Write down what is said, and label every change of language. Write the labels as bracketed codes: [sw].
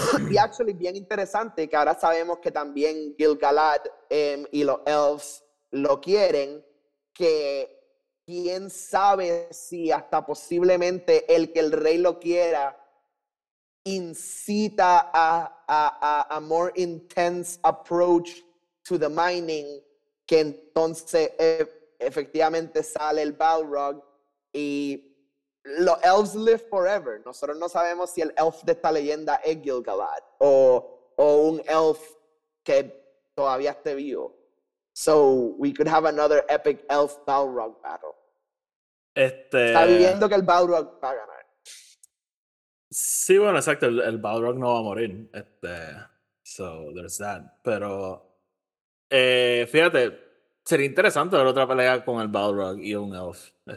[es] Y [en] actually, [es] bien interesante que ahora sabemos que también Gil-galad y los elves lo quieren, que quién sabe si hasta posiblemente el que el rey lo quiera incita [en] a more intense approach to the mining, [es] que entonces efectivamente sale el Balrog y los elves [en] live forever. [es] Nosotros no sabemos si el elf de esta leyenda es Gil-galad o un elf que todavía esté vivo. [en] So we could have another epic elf Balrog battle. [es] Está viendo que el Balrog va a ganar. Sí, bueno, exacto. El Balrog no va a morir. [en] So there's that. [es] Pero fíjate, sería interesante ver otra pelea con el Balrog y un elf.